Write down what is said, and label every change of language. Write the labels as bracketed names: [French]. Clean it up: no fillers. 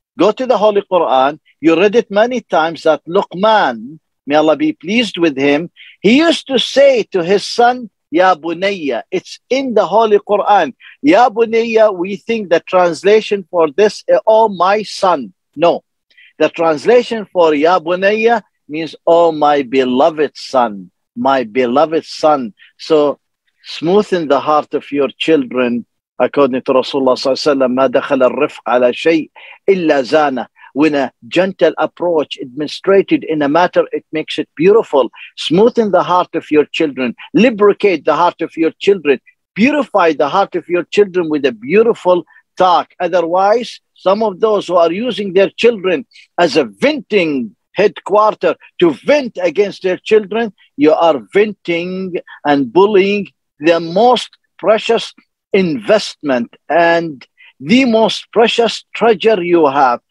[English] Go to the Holy Quran. You read it many times that Luqman, may Allah be pleased with him, he used to say to his son, Ya Bunayya. It's in the Holy Quran. Ya Bunayya, we think the translation for this, oh my son. No. The translation for Ya Bunayya means, oh my beloved son. My beloved son. So smoothen the heart of your children. According to Rasulullah [Arabic] صلى الله عليه وسلم, ما دخل الرفق على شيء إلا زانة. [English] When a gentle approach administrated in a matter, it makes it beautiful. Smoothen the heart of your children. Lubricate the heart of your children. Purify the heart of your children with a beautiful talk. Otherwise, some of those who are using their children as a venting headquarter to vent against their children, you are venting and bullying the most precious investment and the most precious treasure you have.